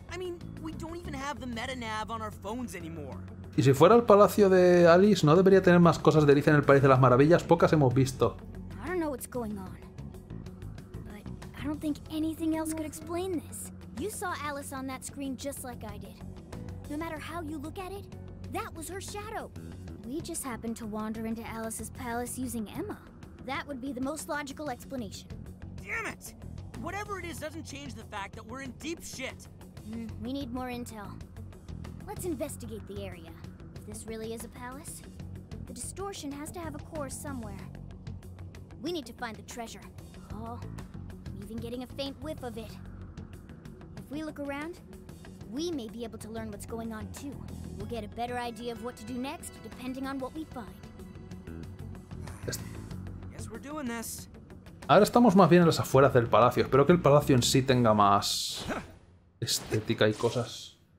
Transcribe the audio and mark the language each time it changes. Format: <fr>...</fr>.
<en>I mean, we don't even have the meta nav on our phones anymore.</en> <es>Y si fuera el palacio de Alice, no debería tener más cosas de Alice en el País de las Maravillas, pocas hemos visto.</es> <en>I don't know what's going on. But I don't think anything else could explain this. You saw Alice on that screen just like I did. No matter how you look at it, that was her shadow. We just happened to wander into Alice's palace using Emma. That would be the most logical explanation. Damn it! Whatever it is doesn't change the fact that we're in deep shit. We need more intel. Let's investigate the area. If this really is a palace, the distortion has to have a core somewhere. We need to find the treasure. Oh, I'm even getting a faint whiff of it. If we look around, we may be able to learn what's going on too. We'll get a better idea of what to do next, depending on what we find. Yes, we're doing this.</en> <es>Ahora estamos más bien en las afueras del palacio. Espero que el palacio en sí tenga más estética y cosas.</es>